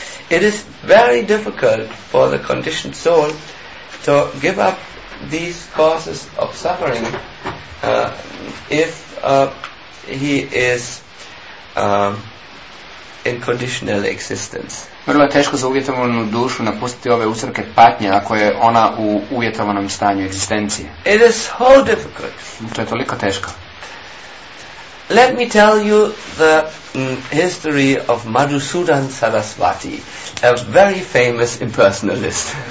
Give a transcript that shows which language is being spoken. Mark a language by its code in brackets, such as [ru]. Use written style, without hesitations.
[en] It is very difficult for the conditioned soul to give up these causes of suffering if he is in conditional existence. [hr] Vrlo je teško za uvjetovanu dušu napustiti ove uzroke patnje ako je ona u uvjetovanom stanju egzistencije. [en] It is so difficult. [hr] To je toliko teško. [en] Let me tell you the history of Madhusudan Sarasvati, a very famous impersonalist.